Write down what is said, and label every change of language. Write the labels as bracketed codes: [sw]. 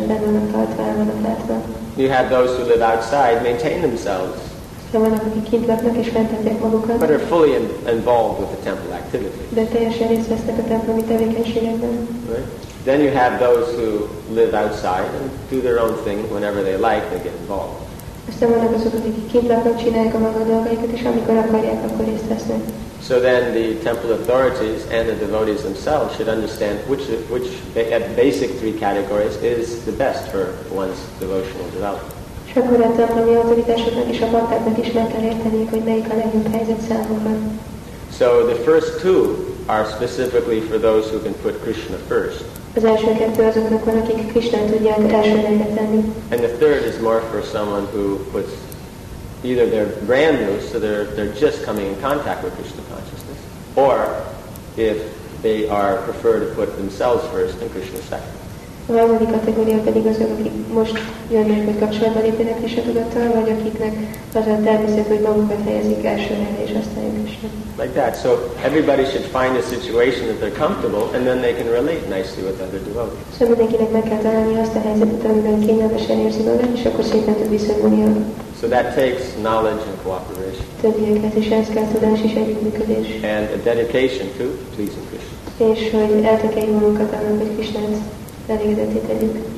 [en] You have those who live outside, maintain themselves, but are fully involved with the temple activity. Then you have those who live outside and do their own thing whenever they like, they get involved. [hu] Aztán vannak azok, akik kint laknak, csinálják a maga dolgaikat, és amikor akarják, akkor részt vesznek. [en] So then the temple authorities and the devotees themselves should understand which basic three categories is the best for one's devotional development. [hu] És akkor a templomi autoritásoknak és a baktáknak is meg kell érteniük, hogy melyik a legjobb helyzet számukra. [en] So the first two are specifically for those who can put Krishna first. [hu] Az első kettő azoknak van, akik Krisztán tudják első helyre tenni. [en] And the third is more for someone who puts either they're brand new, so they're just coming in contact with Krishna consciousness, or if they are prefer to put themselves first and Krishna second. [hu] A második kategória pedig azok, akik most jönnek, hogy kapcsolatban lépjenek Krishna tudattal, vagy akiknek az a természet, hogy magukat helyezik első helyre, és aztán jön Krishna. [en] Like that. So everybody should find a situation that they're comfortable, and then they can relate nicely with other devotees. [hu] So mindenkinek meg kell találni azt a helyzetet, amiben kényelmesen érzi magát, és akkor szépen tud visszavonni. [en] So that takes knowledge and cooperation. [hu] Többieket is ehhez kell, tudás és együttműködés. [en] And a dedication to pleasing Krishna. [hu] És hogy eltökeljük magunkat annak, hogy Krishnát elégedetté tegyük.